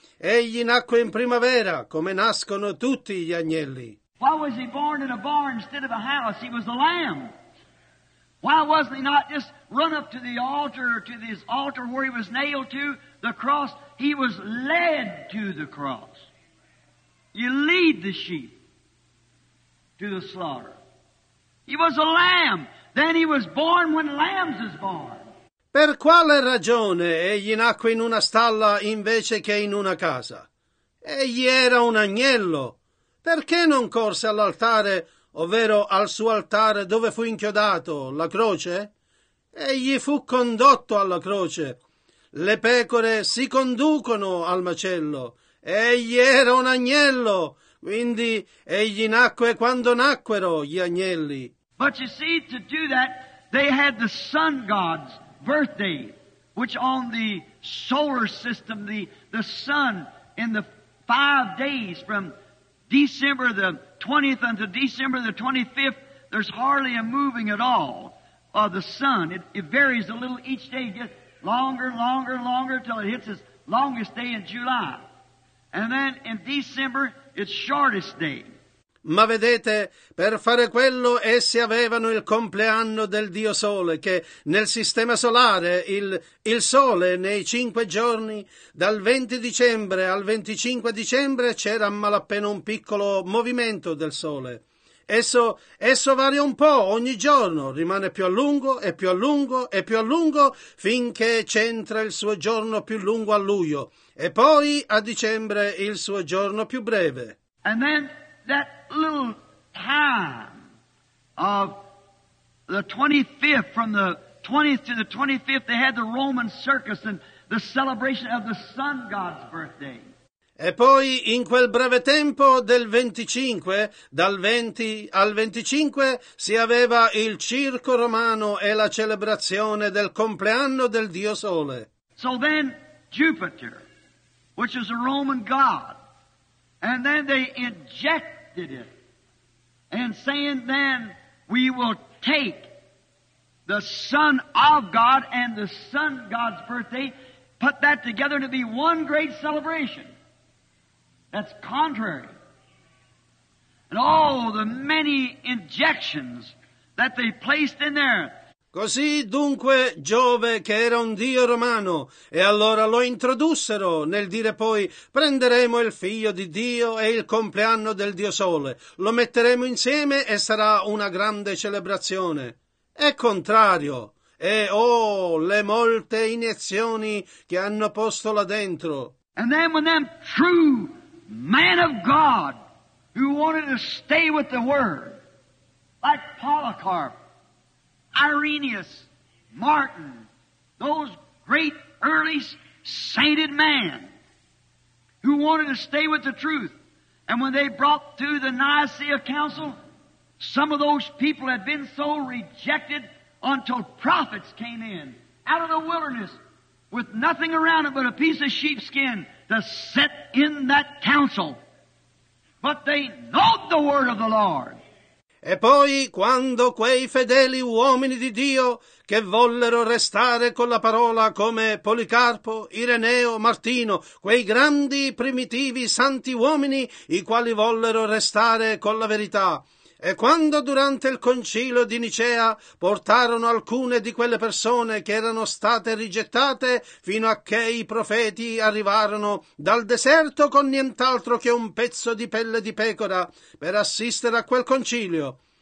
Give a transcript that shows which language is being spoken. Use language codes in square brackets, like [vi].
[it] Egli nacque in primavera, come nascono tutti gli agnelli. [en] Why was he born in a barn instead of a house? He was a lamb. Why wasn't he not just run up to the altar, to this altar where he was nailed to the cross? He was led to the cross. You lead the sheep to the slaughter. He was a lamb. Then he was born when lambs is born. [it] Per quale ragione egli nacque in una stalla invece che in una casa? Egli era un agnello. Perché non corse all'altare, ovvero al suo altare dove fu inchiodato, la croce? Egli fu condotto alla croce. Le pecore si conducono al macello. Egli era un agnello. Quindi egli nacque quando nacquero gli agnelli. [en] But you see, to do that, they had the sun god's birthday, which on the solar system, the sun in the 5 days from December the 20th until December the 25th, there's hardly a moving at all of the sun. It varies a little each day. It gets longer, longer, longer until it hits its longest day in July. And then in December, its shortest day. [it] Ma vedete, per fare quello essi avevano il compleanno del Dio Sole, che nel sistema solare il Sole nei 5 giorni, dal 20 dicembre al 25 dicembre, c'era malappena un piccolo movimento del Sole. Esso varia un po' ogni giorno, rimane più a lungo e più a lungo e più a lungo finché c'entra il suo giorno più lungo a luglio, e poi a dicembre il suo giorno più breve. [en] And then that little time of the 25th, from the 20th to the 25th, they had the Roman circus and the celebration of the sun god's birthday. [it] E poi, in quel breve tempo del 25, dal 20 al 25, si aveva il circo romano e la celebrazione del compleanno del Dio Sole. [en] So then, Jupiter, which is a Roman god, and then they injected it, and saying then, we will take the Son of God and the sun god's birthday, put that together to be one great celebration. That's contrary. And all the many injections that they placed in there. [it] Così dunque Giove, che era un dio romano, e allora lo introdussero nel dire poi, prenderemo il figlio di Dio e il compleanno del Dio Sole, lo metteremo insieme e sarà una grande celebrazione. È contrario. E oh, le molte iniezioni che hanno posto là dentro. [en] And then when them true man of God, who wanted to stay with the Word, like Polycarp, Irenaeus, Martin, those great early sainted men who wanted to stay with the truth. And when they brought through the Nicaea Council, some of those people had been so rejected until prophets came in out of the wilderness with nothing around it but a piece of sheepskin to sit in that council But they know the word of the Lord. [it] E poi, quando quei fedeli uomini di Dio, che vollero restare con la parola, come Policarpo, Ireneo, Martino, quei grandi, primitivi, santi uomini, i quali vollero restare con la verità, e quando durante il concilio di Nicea portarono alcune di quelle persone che erano state rigettate fino a che i profeti arrivarono dal deserto con nient'altro che un pezzo di pelle di pecora per assistere a quel concilio.